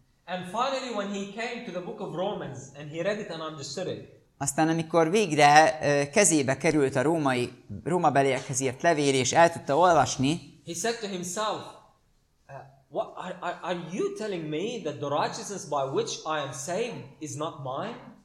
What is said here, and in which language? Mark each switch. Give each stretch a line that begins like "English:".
English: And finally when he came to the book of Romans and he read it and understood it.
Hungarian: Aztán amikor végre kezébe került a római Róma beliekhez írt levél és el tudta olvasni.
English: He said to himself, what are you telling me that the righteousness by which I am saved is not mine?